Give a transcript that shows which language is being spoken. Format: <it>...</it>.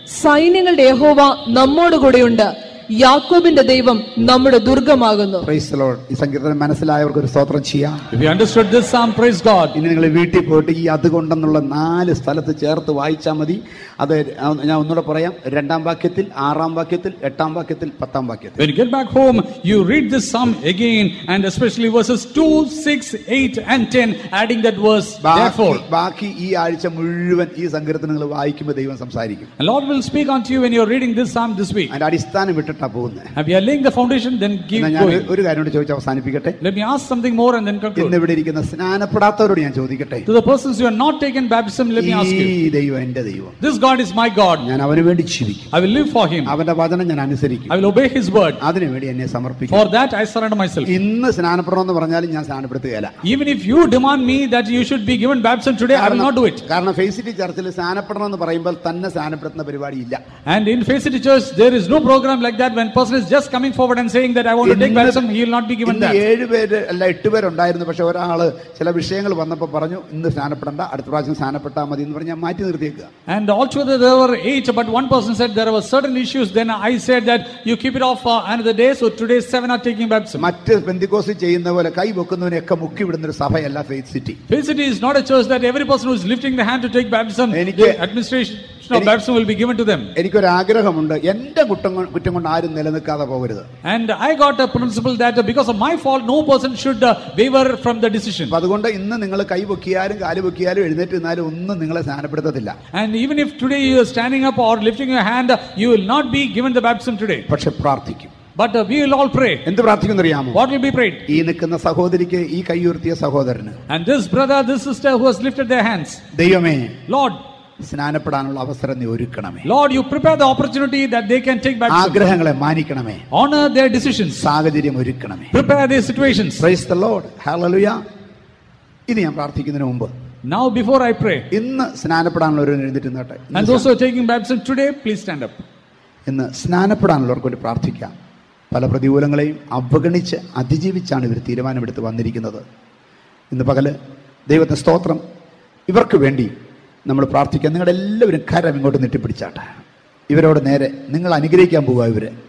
<ml>സൈന്യങ്ങളുടെ യഹോവ നമ്മോട് കൂടെയുണ്ട്, യാക്കോബിന്റെ ദൈവം നമ്മുടെ ദുർഗമാകുന്നു.</ml> <en>Praise the lord.</en> <ml>ഈ സംഗീതം മനസ്സിലായവർക്ക് ഒരു സ്തോത്രം ചെയ്യാം.</ml> <en>If you understood this psalm, praise God.</en> <ml>ഇനി നിങ്ങൾ വീട്ടിൽ പോയിട്ട് ഈ അതുകൊണ്ടെന്നുള്ള നാല് സ്ഥലത്ത് ചേർത്ത് വായിച്ചാൽ മതി. അത് ഞാൻ ഒന്നുകൂടെ പറയാം, രണ്ടാം വാക്യത്തിൽ, ആറാം വാക്യത്തിൽ, എട്ടാം വാക്യത്തിൽ, പത്താം വാക്യത്തിൽ.</ml> <en>When you get back home, you read this psalm again and especially verses 2, 6, 8 and 10, adding that verse therefore.</en> <ml>ബാക്കി ഈ ആഴ്ച മുഴുവൻ ഈ സംഗീതം നിങ്ങൾ വായിക്കുമ്പോൾ ദൈവം സംസാരിക്കും.</ml> <en>The Lord will speak unto you when you are reading this psalm this week.</en> <ml>അതിന്റെ അടിസ്ഥാനം വിട്ടിട്ടാ പോകുന്നത്.</ml> <en>Have you laid the foundation, then give going.</en> <ml>ഞാൻ ഒരു കാര്യം കൂടി ചോദിച്ച് അവസാനിപ്പിക്കട്ടെ.</ml> <en>Let me ask something more and then conclude.</en> <ml>ഇന്ന് ഇവിടെ ഇരിക്കുന്ന സ്നാനപ്പെടാത്തവരോട് ഞാൻ ചോദിക്കട്ടെ.</ml> <en>To the persons who are not taken baptism, let me ask you.</en> <ml>ഈ ദൈവം എന്റെ ദൈവം.</ml> <en>This God is my God.</en> <ml>ഞാൻ അവനു വേണ്ടി ജീവിക്കും.</ml> <en>I will live for him.</en> <ml>അവന്റെ വചനം ഞാൻ അനുസരിക്കും.</ml> <en>I will obey his word.</en> <ml>അതിനു വേണ്ടി എന്നെ സമർപ്പിക്കും.</ml> <en>For that I surrender myself.</en> <ml>ഇന്ന് സ്നാനപ്പെടണം എന്ന് പറഞ്ഞാലും ഞാൻ സ്നാനപ്പെടുത്തുകയില്ല.</ml> <en>Even if you demand me that you should be given baptism today, I will not do it.</en> <ml>കാരണം ഫേസ് സിറ്റി ചർച്ചിൽ സ്നാനപ്പെടണം എന്ന് പറയുമ്പോൾ തന്നെ സ്നാനപ്പെടുത്തുന്ന പരിപാടി ഇല്ല.</ml> <en>And in Faith City Church there is no program like that when person is just coming forward and saying that I want to take baptism, he will not be given that.</en> <ml>ഇന്ന് ഏഴ് പേര് അല്ല എട്ട് പേര് ഉണ്ടായിരുന്നു, പക്ഷേ ഒരാൾ ചില വിഷയങ്ങൾ വന്നപ്പോൾ പറഞ്ഞു ഇന്ന് സ്നാനപ്പെടണ്ട, അടുത്ത പ്രാവശ്യം സ്നാനപ്പെട്ടാൽ മതി എന്ന് പറഞ്ഞാൽ മാറ്റി നിർത്തിയേക്കുക.</ml> <en>And altogether there were eight, but one person said there were certain issues, then I said that you keep it off for another day, so today seven are taking baptism.</en> <ml>മറ്റ് പെന്തിക്കോസ്റ്റ് ചെയ്യുന്ന പോലെ കൈ വെക്കുന്നവനെ ഒക്കെ മുക്കി വിടുന്ന ഒരു സഭയല്ല faith city.</ml> <en>Faith City is not a church that every person who is lifting the hand to take baptism, the administration of baptism will be given to them.</en> <ml>എനിക്ക് ഒരു ആഗ്രഹമുണ്ട്, എന്റെ കുറ്റം കൊണ്ട് ആരും നിലനിൽക്കാതെ പോകരുത്.</ml> <en>And I got a principle that because of my fault no person should waver from the decision.</en> <ml>അതുകൊണ്ട് ഇന്ന് നിങ്ങൾ കൈ വെക്കിയാലും കാല് വെക്കിയാലും എഴുന്നേറ്റ് നിന്നാലും ഒന്നും നിങ്ങളെ സ്നാനപ്പെടുത്തത്തില്ല.</ml> <en>And even if today you are standing up or lifting your hand, you will not be given the baptism today.</en> <ml>പക്ഷേ പ്രാർത്ഥിക്കും.</ml> <en>But we will all pray.</en> <ml>എന്തു പ്രാർത്ഥിക്കുന്നു അറിയാമോ?</ml> <en>What will be prayed?</en> <ml>ഈ നിൽക്കുന്ന സഹോദരിക്ക്, ഈ കൈയുയർത്തിയ സഹോദരന്.</ml> <en>And this brother, this sister who has lifted their hands.</en> <ml>ദൈവമേ,</ml> <en>Lord,</en> <ml>സ്നാനപ്പെടാനുള്ള അവസരം നീ ഒരുക്കണമേ.</ml> <en>Lord, you prepare the opportunity that they can take baptism.</en> <ml>ആഗ്രഹങ്ങളെ മാനിക്കണമേ.</ml> <en>Honor their decisions.</en> <ml>സാഹചര്യം ഒരുക്കണമേ.</ml> <en>Prepare their situations. Praise the Lord. Hallelujah.</en> <ml>ഇനി ഞാൻ പ്രാർത്ഥിക്കുന്നതിന് മുമ്പ്,</ml> <en>Now before I pray.</en> <ml>ഇന്ന് സ്നാനപ്പെടാനുള്ള ഒരു എഴുന്നേറ്റ് നിന്നാട്ടെ.</ml> <en>And also taking baptism today, please stand up.</en> <ml>ഇന്ന് സ്നാനപ്പെടാനുള്ളവർക്ക് വേണ്ടി പ്രാർത്ഥിക്കാം. പല പ്രതികൂലങ്ങളെയും അവഗണിച്ച് അതിജീവിച്ചാണ് ഇവർ തീരുമാനമെടുത്ത് വന്നിരിക്കുന്നത്. ഇന്ന് പകല് ദൈവത്തിന്റെ സ്തോത്രം ഇവർക്ക് വേണ്ടി നമ്മൾ പ്രാർത്ഥിക്കാം. നിങ്ങളുടെ എല്ലാവരും കരം ഇങ്ങോട്ട് നെട്ടിപ്പിടിച്ചാട്ടെ. ഇവരോട് നേരെ നിങ്ങൾ അനുഗ്രഹിക്കാൻ പോവുക.</ml>